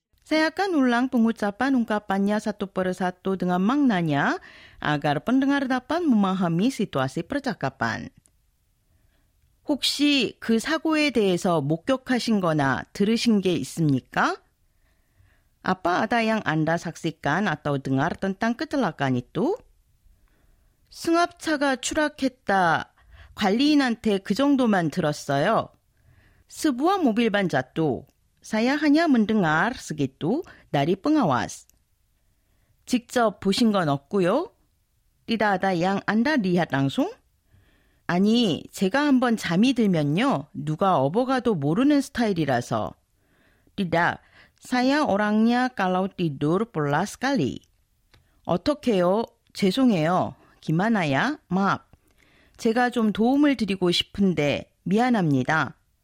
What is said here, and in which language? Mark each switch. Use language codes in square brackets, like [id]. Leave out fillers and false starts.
[id] Saya akan ulang pengucapan ungkapannya satu per satu dengan maknanya agar pendengar dapat memahami situasi percakapan. [ko] 혹시 그 사고에 대해서 목격하신 거나 들으신 게 있습니까? [id] Apa ada yang Anda saksikan atau dengar tentang kecelakaan itu? [ko] 승합차가 추락했다. 관리인한테 그 정도만 들었어요. [id] Sebuah mobil ban jatuh. Saya hanya mendengar segitu dari pengawas. [ko] 직접 보신 건 없고요. [id] Tidak ada yang Anda lihat langsung? [ko] 아니, 제가 한번 잠이 들면요. 누가 업어가도 모르는 스타일이라서. [id] Tidak, saya orangnya kalau tidur pula sekali. [ko] 어떻게요? 죄송해요. [id] Gimana ya? Maaf. [ko] 제가 좀 도움을 드리고 싶은데 미안합니다.